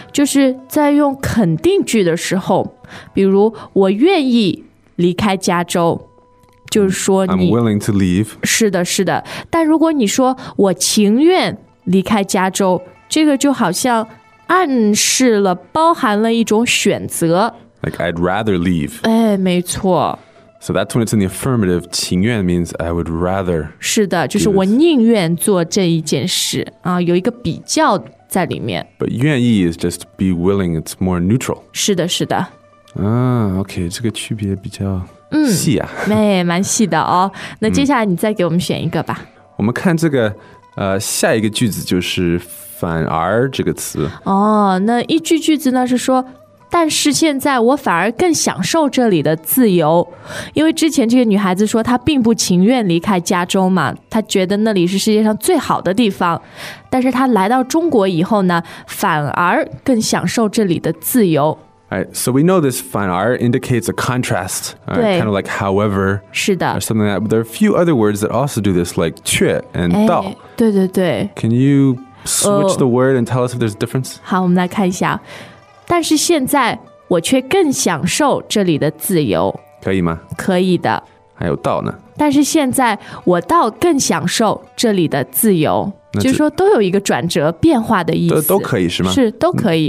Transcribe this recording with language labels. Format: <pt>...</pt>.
<zh>就是在用肯定句的时候比如我愿意离开加州就是说你</zh> <en>I'm willing to leave</en> <zh>是的是的但如果你说我情愿离开加州这个就好像暗示了包含了一种选择</zh> <en>Like I'd rather leave</en> <zh>哎，没错</zh> <en>So that's when it's in the affirmative 情愿 means I would rather</en> <zh>是的就是我宁愿做这一件事、啊、有一个比较在里面</zh> <en>But 愿意 is just be willing It's more neutral</en> <zh>是的是的、啊、OK 这个区别比较细啊、嗯、蛮细的哦那接下来你再给我们选一个吧、嗯、我们看这个、下一个句子就是反而这个词哦那一句句子呢是说但是现在我反而更享受这里的自由因为之前这个女孩子说她并不情愿离开加州嘛她觉得那里是世界上最好的地方但是她来到中国以后呢反而更享受这里的自由</zh> <en>Alright, So we know this 反而 indicates a contrast right, kind of like however</en> <zh>是的</zh> <en>or something like that. But there are a few other words that also do this like 却 and 到、</en> <zh>哎、对对对</zh> <en>Can you switch the word and tell us if there's a difference?</en> <zh>好我们来看一下但是现在我却更享受这里的自由可以吗可以的还有道呢但是现在我倒更享受这里的自由就是说都有一个转折变化的意思都可以是吗是都可以</zh>